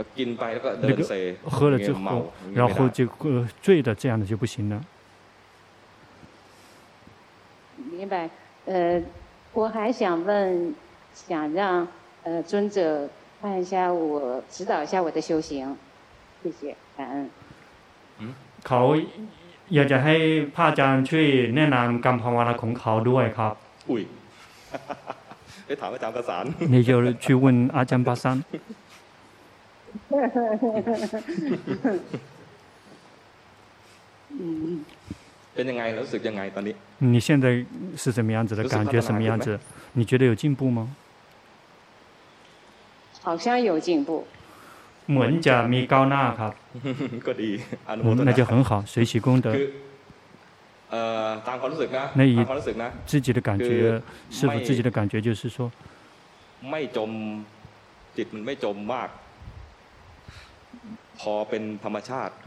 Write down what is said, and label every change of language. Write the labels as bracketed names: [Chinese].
[Chinese] 个喝了之后然后这个醉的这样的就不行了明白我还想让尊者看一下我指导一下我的修行谢谢感恩 [Thai] เขาอยากจะให้พระอาจารย์ช่วยแนะนำกรรมภาวนาของเขาด้วยครับ อุ้ยไปถามอาจารย์ภาษา [Chinese] 你就去问阿占巴三 [Thai] เป็นยังไงรู้สึกยังไงตอนนี้ [Chinese] 你现在是怎么样子的感觉什么样子你觉得有进步吗好像有进步 [Thai] เหมือนจะมีก้าวหน้าครับ ก็ดี [Chinese] 那就很好随喜功德 [Thai] ตามความรู้สึกนะ ใน ความรู้สึกนะ [Chinese] 自己的感觉师父自己的感觉就是说 [Thai] ไม่จมจิตมันไม่จมมากพอเป็นธรรมชาติ